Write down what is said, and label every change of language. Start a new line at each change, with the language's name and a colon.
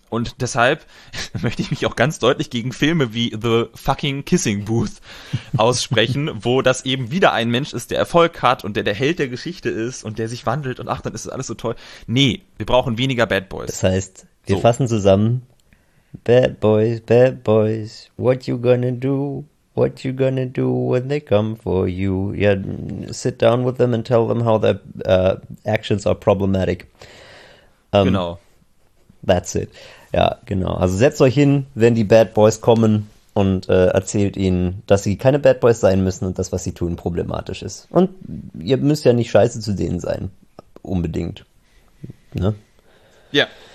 German: Und deshalb möchte ich mich auch ganz deutlich gegen Filme wie The Fucking Kissing Booth aussprechen, wo das eben wieder ein Mensch ist, der Erfolg hat und der Held der Geschichte ist und der sich wandelt und ach, dann ist das alles so toll. Nee, wir brauchen weniger Bad Boys. Das heißt, wir fassen zusammen.
English: Bad Boys, what you gonna do when they come for you? Yeah, sit down with them and tell them how their actions are problematic.
German: Genau.
English: That's it.
German: Ja, genau. Also setzt euch hin, wenn die Bad Boys kommen und erzählt ihnen, dass sie keine Bad Boys sein müssen und das, was sie tun, problematisch ist. Und ihr müsst ja nicht scheiße zu denen sein. Unbedingt. Ne? Ja.